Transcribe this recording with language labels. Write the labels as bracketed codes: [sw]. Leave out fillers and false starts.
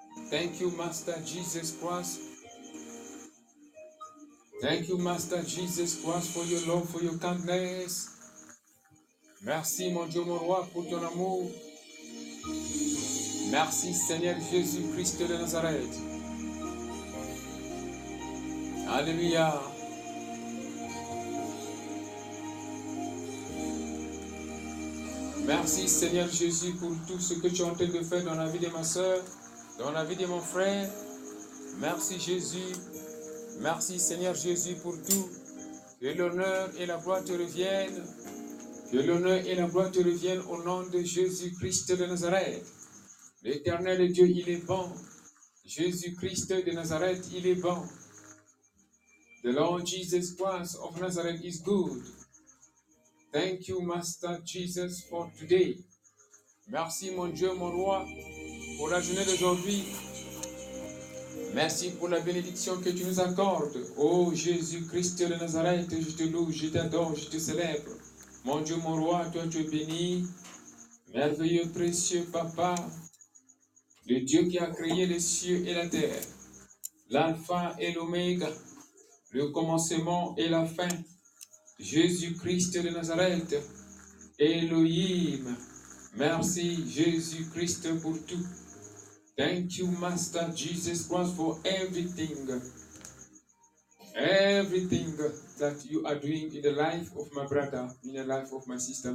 [en] Thank you, Master Jesus Christ. Thank you, Master Jesus Christ, for your love, for your kindness. [fr] Merci, mon Dieu, mon roi, pour ton amour. Merci, Seigneur Jésus Christ de Nazareth. Alléluia. Merci Seigneur Jésus pour tout ce que tu es en train de faire dans la vie de ma soeur, dans la vie de mon frère. Merci Jésus. Merci Seigneur Jésus pour tout. Que l'honneur et la gloire te reviennent. Que l'honneur et la gloire te reviennent au nom de Jésus-Christ de Nazareth. L'éternel Dieu, il est bon. Jésus-Christ de Nazareth, il est bon. [en] The Lord Jesus Christ of Nazareth is good. Thank you, Master Jesus, for today. [fr] Merci, mon Dieu, mon roi, pour la journée d'aujourd'hui. Merci pour la bénédiction que tu nous accordes. Oh, Jésus-Christ de Nazareth, je te loue, je t'adore, je te célèbre. Mon Dieu, mon roi, toi, tu es béni. Merveilleux, précieux Papa, le Dieu qui a créé les cieux et la terre, l'alpha et l'oméga, le commencement et la fin, Jésus-Christ de Nazareth, Elohim, merci Jésus-Christ pour tout. [en] Thank you, Master Jesus Christ, for everything. Everything that you are doing in the life of my brother, in the life of my sister.